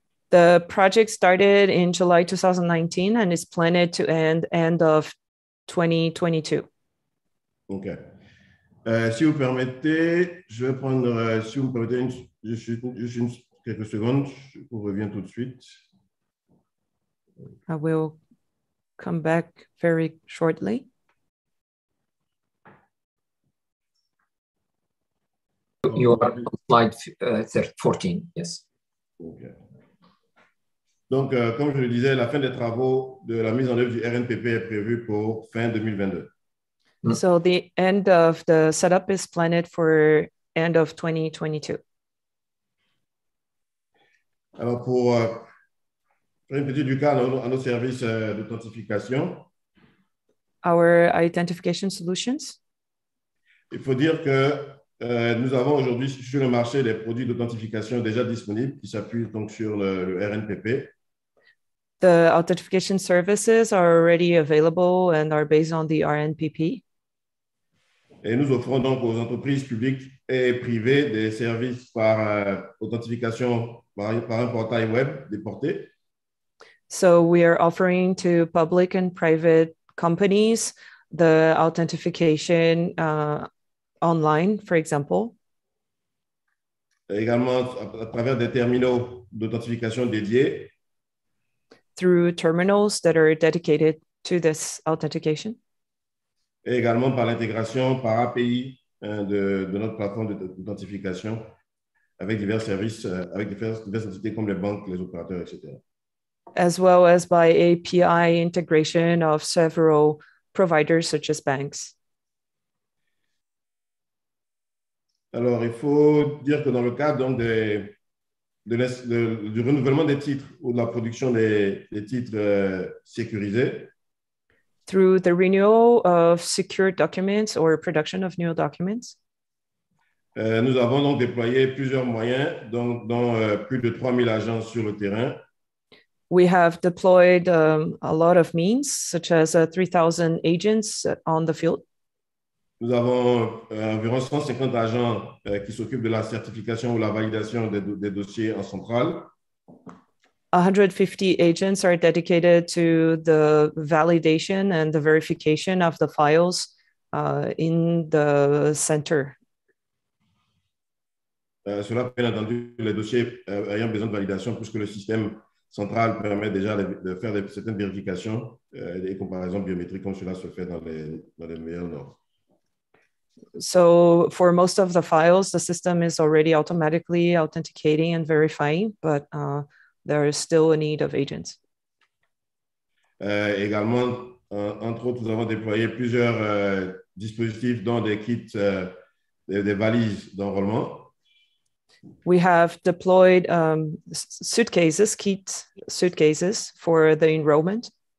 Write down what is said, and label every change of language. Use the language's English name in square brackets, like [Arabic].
[English] The project started in July 2019 and is planned to end of 2022. OK. [French] Si vous permettez, je vais prendre, si vous me permettez, juste quelques secondes, je vous reviens tout de suite. [English] I will come back very shortly. You are on slide 14, yes. OK. [French] Donc, comme je le disais, la fin des travaux de la mise en œuvre du RNPP est prévue pour fin 2022. [English] So the end of the setup is planned for end of 2022. [French] Alors pour une petite du cas à nos services d'authentification. [English] Our identification solutions. [French] Il faut dire que nous avons aujourd'hui sur le marché des produits d'authentification déjà disponibles qui s'appuient donc sur le RNPP. [English] The authentication services are already available and are based on the RNPP. [French] Et nous offrons donc aux entreprises publiques et privées des services par authentification par un portail web déporté. [English] So we are offering to public and private companies the authentication online, for example. [French] Et également à travers des terminaux d'authentification dédiés. [English] Through terminals that are dedicated to this authentication. [French] Et également par l'intégration par API de notre plateforme d'authentification avec divers services, avec diverses entités comme les banques, les opérateurs, etc. [English] As well as by API integration of several providers such as banks. [French] Alors, il faut dire que dans le cadre donc du renouvellement des titres ou de la production des titres sécurisés, [English] through the renewal of secure documents or production of new documents. [French] Nous avons donc déployé plusieurs moyens, dont plus de 3000 agents sur le terrain. [English] We have deployed a lot of means, such as 3000 agents on the field. [French] Nous avons environ 150 agents qui s'occupent de la certification ou la validation des dossiers en centrale. [English] 150 agents are dedicated to the validation and the verification of the files in the center. [French] Cela bien entendu les dossiers ayant besoin de validation puisque le système central permet déjà de faire certaines vérifications et comparaisons biométriques comme cela se fait dans les meilleurs normes. [English] So for most of the files, the system is already automatically authenticating and verifying, but there is still a need of agents. [French] Également, entre autres, nous avons déployé plusieurs dispositifs dont des kits, des valises d'enrôlement. [English] We have deployed suitcases, kits, suitcases for the enrollment.